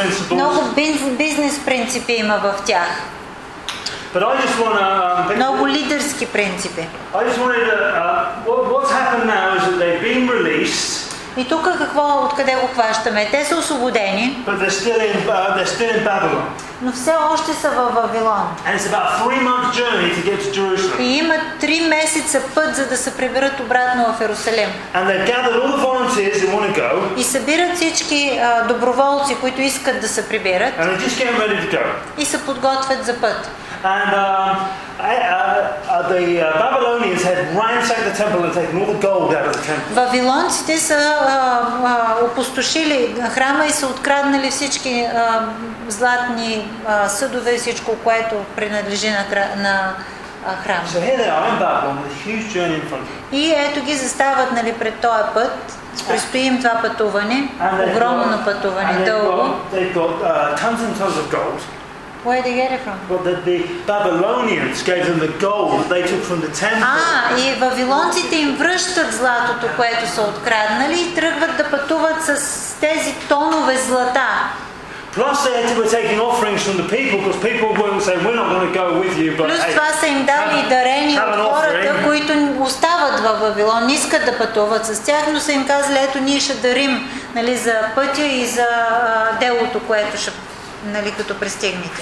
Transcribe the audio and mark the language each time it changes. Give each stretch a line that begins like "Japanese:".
Bulgarian: Много бизнес принципи има в тях.
English: But I just want to
Bulgarian: много лидерски принципи.
English: I just wanted to what's happened now is that they've been released.
Bulgarian: И тук какво, откъде го хващаме? Те са освободени.
English: But they're still in Babylon.
Bulgarian: Но все още са в Вавилон.
English: And it's about a 3-month journey to get to Jerusalem.
Bulgarian: И имат 3 месеца път, за да се приберат обратно в Йерусалим.
English: And they've gathered all the volunteers that want to go.
Bulgarian: И събират всички доброволци, които искат да се приберат.
English: And they're just getting ready to go.
Bulgarian: И се подготвят за път.
English: And the Babylonians had ransacked the temple and taken all the gold out of the temple.
Bulgarian: Вавилонците са опустошили храма и са откраднали всички златни съдове, всичко което принадлежи на храма.
English: So here they are in Babylon with a huge journey in front of them.
Bulgarian: И ето ги застават, нали, пред този път. Предстои им това пътуване, огромно пътуване, дълго.
English: Tons and tons of gold. Where did they get it from? Well, the Babylonians gave them the gold they took from the temple.
Bulgarian: И вавилонците им връщат златото, което са откраднали, и тръгват да пътуват с тези тонове злата.
English: Plus they had to be taking offerings from the people because people were saying we're not going to go with you.
Bulgarian: Плюс това са им дали дарения от хората, които остават във Вавилон, не искат да пътуват с тях, но са им казали, ето ние ще дарим, нали, за пътя и за делото, което ще, нали, като пристигнете.